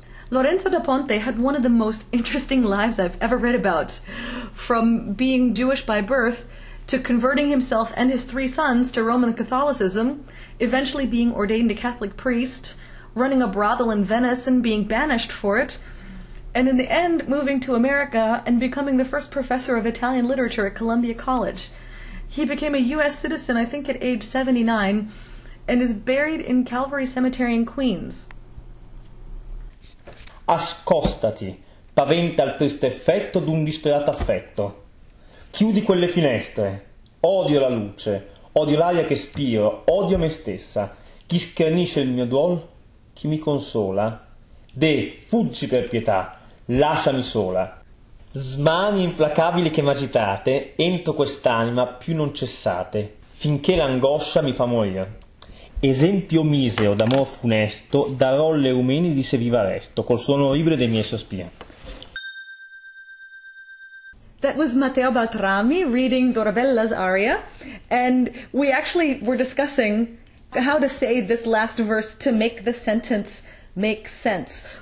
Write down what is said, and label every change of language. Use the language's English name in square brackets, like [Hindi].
[English] Lorenzo da Ponte had one of the most interesting lives I've ever read about, from being Jewish by birth to converting himself and his three sons to Roman Catholicism, eventually being ordained a Catholic priest, running a brothel in Venice and being banished for it, and in the end moving to America and becoming the first professor of Italian literature at Columbia College. He became a U.S. citizen, I think, at age 79, and is buried in Calvary Cemetery in Queens. [Italian] Ascostati, paventa il triste effetto d'un disperato affetto. Chiudi quelle finestre. Odio la luce, odio l'aria che spiro, odio me stessa. Chi schernisce il mio duol, chi mi consola? De, fuggi per pietà, lasciami sola. Smani implacabili che m'agitate, entro quest'anima più non cessate, finché l'angoscia mi fa morire. Esempio misero d'amor funesto, darò le umeni di se viva resto, col suono orribile dei miei sospiri. [English] That was Matteo Baltrami reading Dorabella's aria, and we actually were discussing how to say this last verse to make the sentence make sense.